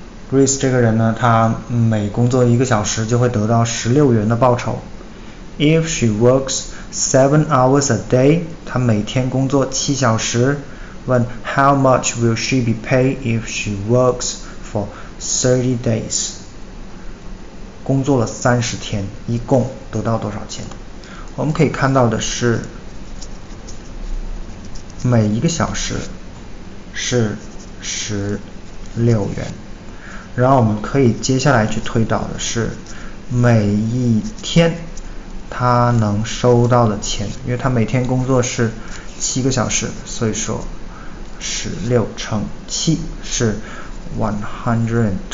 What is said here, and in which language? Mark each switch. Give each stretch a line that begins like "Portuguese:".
Chinese: Grace 这个人呢，他每工作一个小时就会得到16元的报酬。
English: If she works 7 hours a day，
Chinese: 她每天工作7小时。
English: When how much will she be paid if she works for 30 days？
Chinese: 工作了30天，一共得到多少钱？我们可以看到的是，每一个小时是16元。然后我们可以接下来去推导的是，每一天他能收到的钱，因为他每天工作是7个小时，所以说16乘7是112。